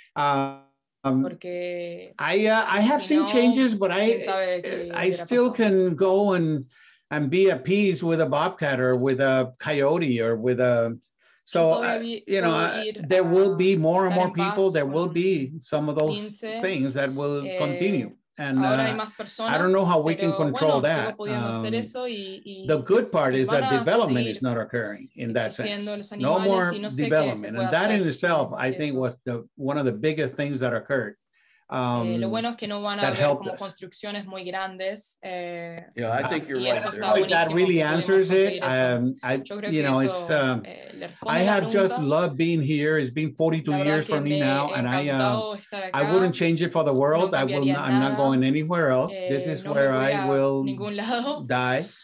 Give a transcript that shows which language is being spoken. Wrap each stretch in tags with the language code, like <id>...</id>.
<en>I have seen changes, but I still can go and be at peace with a bobcat or with a coyote or with a, so, you know, there will be more and more people, there will be some of those things that will continue. And I don't know how we can control that. The good part is that development is not occurring in that sense. No more development. And that in itself, I think, was the one of the biggest things that occurred.</en> <es>Lo bueno es que no van a haber como construcciones muy grandes.</es> <en>Yeah, I think you're right. I think that really answers it. You know, it's, I have just loved being here. It's been 42 years for me now, and I wouldn't change it for the world. I will not, I'm not going anywhere else. This is where I will die.</en>